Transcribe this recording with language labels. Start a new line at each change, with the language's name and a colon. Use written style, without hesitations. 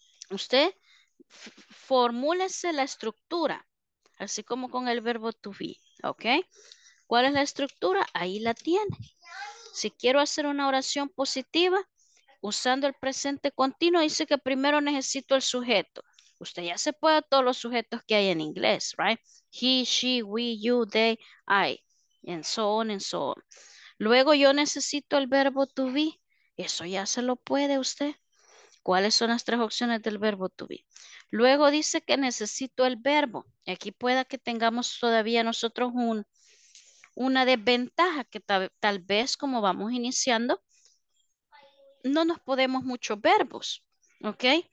Spanish: Usted formúlese la estructura, así como con el verbo to be. Ok, ¿cuál es la estructura? Ahí la tiene. Si quiero hacer una oración positiva, usando el presente continuo, dice que primero necesito el sujeto. Usted ya se puede todos los sujetos que hay en inglés,
English: right? He, she, we, you, they, I, and so on and so on.
Spanish: Luego yo necesito el verbo to be. Eso ya se lo puede usted. ¿Cuáles son las tres opciones del verbo to be? Luego dice que necesito el verbo. Y aquí pueda que tengamos todavía nosotros una desventaja que tal vez como vamos iniciando, no nos podemos muchos verbos, ¿ok?